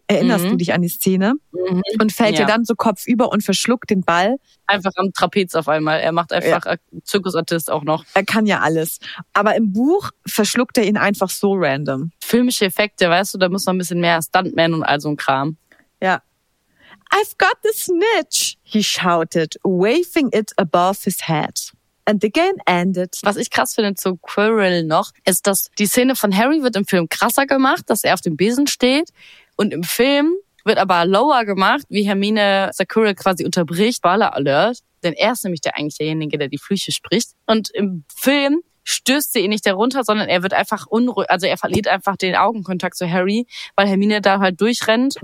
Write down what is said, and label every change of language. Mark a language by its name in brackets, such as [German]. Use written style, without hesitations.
[German] Erinnerst du dich an die Szene? Und fällt ja dann so kopfüber und verschluckt den Ball. Einfach am Trapez auf einmal. Er macht einfach Zirkusartist auch noch. Er kann ja alles. Aber im Buch verschluckt er ihn einfach so random. Filmische Effekte, weißt du, da muss man ein bisschen mehr Stuntman und all so ein Kram. Ja. [English] I've got the Snitch, he shouted, waving it above his head. And the game ended. [German] Was ich krass finde zu Quirrell noch, ist, dass die Szene von Harry wird im Film krasser gemacht, dass er auf dem Besen steht. Und im Film wird aber lower gemacht, wie Hermine Sakura quasi unterbricht, Spoiler Alert, denn er ist nämlich der eigentlich derjenige, der die Flüche spricht. Und im Film stößt sie ihn nicht darunter, sondern er wird einfach unruhig, also er verliert einfach den Augenkontakt zu Harry, weil Hermine da halt durchrennt.